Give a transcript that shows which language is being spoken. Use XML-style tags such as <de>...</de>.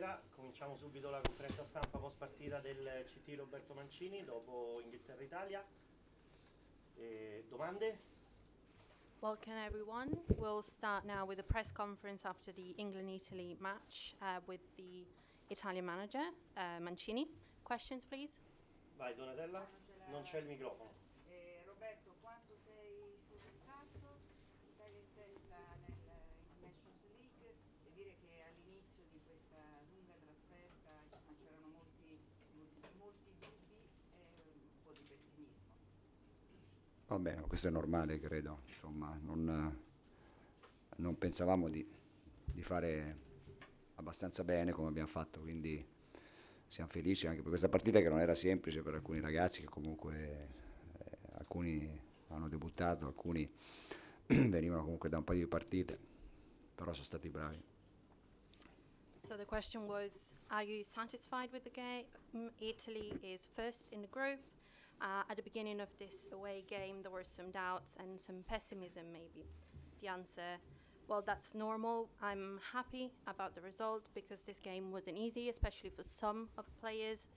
<it>cominciamo subito la conferenza stampa post partita del CT Roberto Mancini dopo Inghilterra Italia. Domande?</it> <en>Welcome everyone. We'll start now with a press conference after the England Italy match with the Italian manager Mancini. Questions please.</en> <it>Vai Donatella, non c'è il microfono. Roberto, quanto sei soddisfatto? L'Italia in testa nel Nations League, e dire che all'inizio di questa lunga trasferta c'erano molti dubbi e un po' di pessimismo. Va bene, questo è normale, credo. Insomma, non pensavamo di fare abbastanza bene come abbiamo fatto, quindi siamo felici anche per questa partita, che non era semplice per alcuni ragazzi, che comunque alcuni hanno debuttato, alcuni venivano comunque da un paio di partite, però sono stati bravi.</it> <en>So the question was, are you satisfied with the game? Italy is first in the group. At the beginning of this away game there were some doubts and some pessimism maybe. The answer, well, that's normal. I'm happy about the result because this game wasn't easy, especially for some of the players.</en>